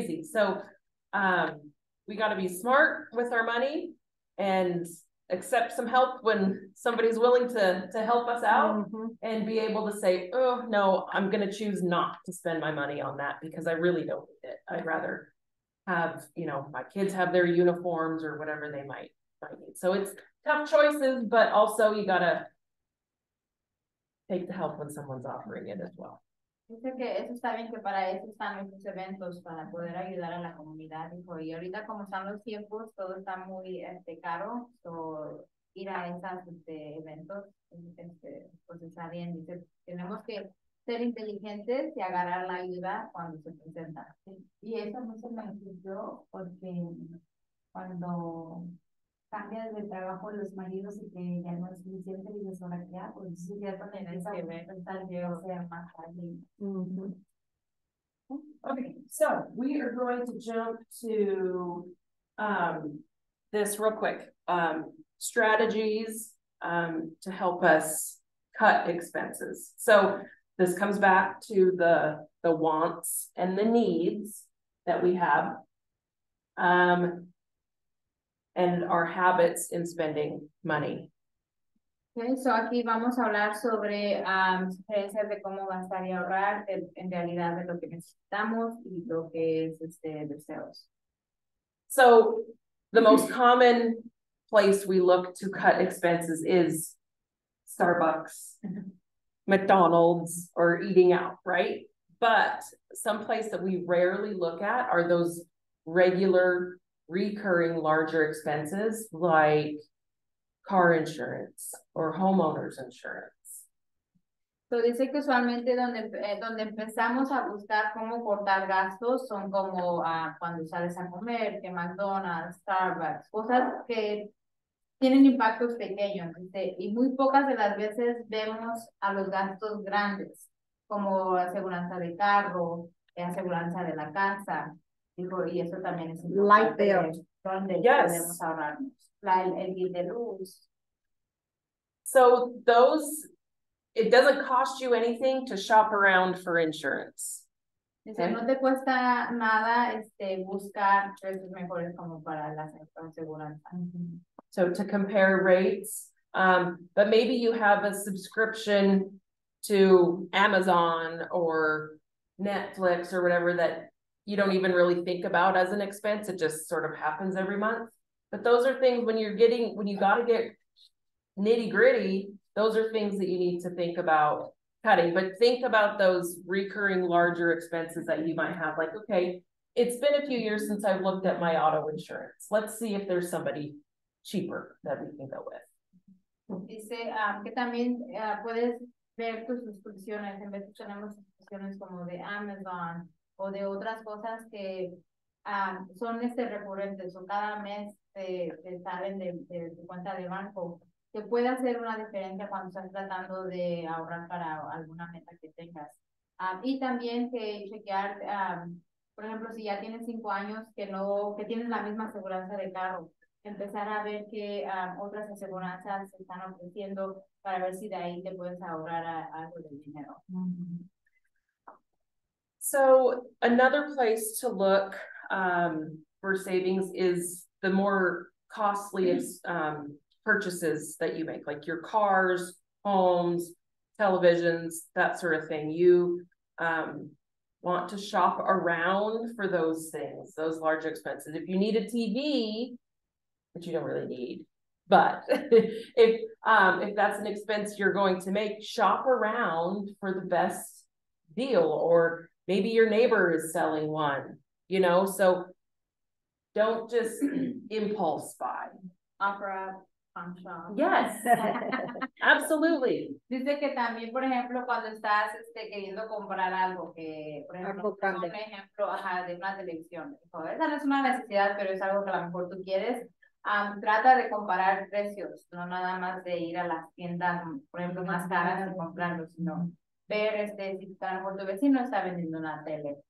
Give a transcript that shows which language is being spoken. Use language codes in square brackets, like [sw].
[en] So we got to be smart with our money and accept some help when somebody's willing to help us out, and be able to say, oh no, I'm going to choose not to spend my money on that because I really don't need it. I'd rather have, you know, my kids have their uniforms or whatever they might need. So it's tough choices, but also you gotta take the help when someone's offering it as well. [es] Dice que eso está bien, que para eso están estos eventos, para poder ayudar a la comunidad. Dijo, y ahorita como están los tiempos, todo está muy caro, so ir a esas eventos, pues está bien. Dice, tenemos que ser inteligentes y agarrar la ayuda cuando se presenta. Y eso mucho me ayudó porque cuando cambia de trabajo los maridos y que ya no es suficiente y les ahora qué hago, y eso ya también es que me tal vez sea más fácil. [en] Okay, so we are going to jump to this real quick. Strategies to help us cut expenses. So this comes back to the wants and the needs that we have, and our habits in spending money. Okay, so [es] aquí vamos a hablar sobre sugerencias de cómo gastar y ahorrar, en realidad de lo que necesitamos y lo que es deseos. [en] So the most common place we look to cut expenses is Starbucks, McDonald's, or eating out, right? But some place that we rarely look at are those regular, recurring, larger expenses like car insurance or homeowner's insurance. [es] So dice que usualmente donde empezamos a buscar cómo cortar gastos son como cuando sales a comer, que McDonald's, Starbucks, cosas que tienen impactos pequeños, ¿sí? Y muy pocas de las veces vemos a los gastos grandes, como aseguranza de carro, aseguranza de la casa, dijo, y eso también es importante. [en] Light bill. [es] Donde podemos ahorrarnos. El bill de luz. [en] So those, it doesn't cost you anything to shop around for insurance. [es] Dice, no te cuesta nada buscar tres mejores como para la aseguranza. [en] So to compare rates, but maybe you have a subscription to Amazon or Netflix or whatever that you don't even really think about as an expense. It just sort of happens every month. But those are things when you got to get nitty gritty, those are things that you need to think about cutting. But think about those recurring larger expenses that you might have. Like, okay, it's been a few years since I've looked at my auto insurance. Let's see if there's somebody cheaper that we can go with. [es] Dice que también puedes ver tus suscripciones. En vez de tener suscripciones como de Amazon o de otras cosas que son recurrentes o cada mes te salen de cuenta de banco, que puede hacer una diferencia cuando estás tratando de ahorrar para alguna meta que tengas. Y también que chequear, por ejemplo, si ya tienes 5 años que tienes la misma aseguranza de carro, empezar a ver qué otras aseguranzas se están ofreciendo para ver si de ahí te puedes ahorrar algo de dinero. [en] So, another place to look for savings is the more costly purchases that you make, like your cars, homes, televisions, that sort of thing. You want to shop around for those things, those large expenses. If you need a TV, which you don't really need, but if that's an expense you're going to make, shop around for the best deal, or maybe your neighbor is selling one, you know, so don't just impulse buy. Opera pawn shop. Yes, absolutely. [es] Dice que también, por ejemplo, cuando estás queriendo comprar algo, que, por ejemplo, de una televisión, esa no es una necesidad, pero es algo que a lo mejor tú quieres, trata de comparar precios, no nada más de ir a las tiendas, por ejemplo, más caras y comprarlo, sino ver si a lo mejor tu vecino está vendiendo una tele.